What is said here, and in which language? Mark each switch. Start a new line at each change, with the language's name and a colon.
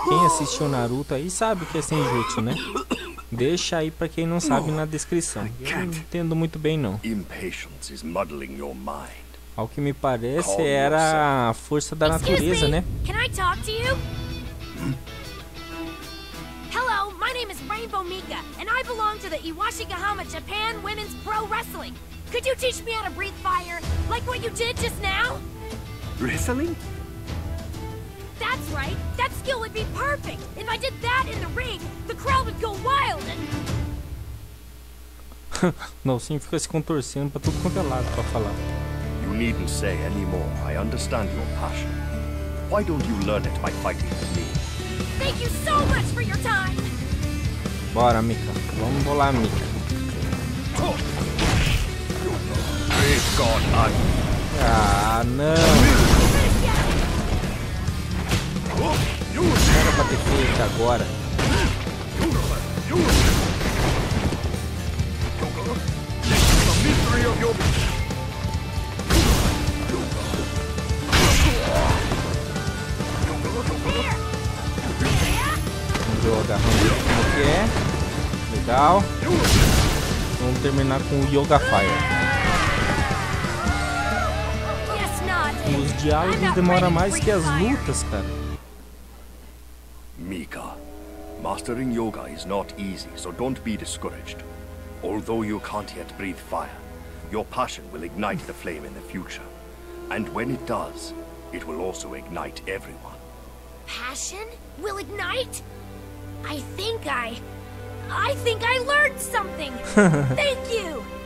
Portuguese: Quem assistiu Naruto aí sabe o que é senjutsu, né? Deixa aí pra quem não sabe na descrição. Eu não entendo muito bem, não.
English: Impatience is muddling your mind.
Portuguese: Ao que me parece, era a força da natureza, né?
English: Can I talk to you? Hello, my name is Rainbow Mika, and I belong to the Iwashigahama Japan Women's Pro Wrestling. Could you teach me how to breathe fire, like what you did just now? Wrestling? That's right. That skill would be perfect. If I did that in the ring, the crowd would go wild and...
Portuguese: Não, sim, fica se contorcendo pra tudo quanto é lado pra falar.
English: You needn't say any more. I understand your passion. Why don't you learn it by fighting with me? Thank you so much for your time!
Portuguese: Bora, Mika. Vamos bolar, Mika. Ah, não! Era pra ter feito agora. Vamos ver o agarrão como que é. Legal. Vamos terminar com o Yoga Fire. Os diálogos demoram mais que as lutas, cara.
English: Mika, mastering yoga is not easy, so don't be discouraged. Although you can't yet breathe fire, your passion will ignite the flame in the future. And when it does, it will also ignite everyone. Passion will ignite? I think I learned something! Thank you!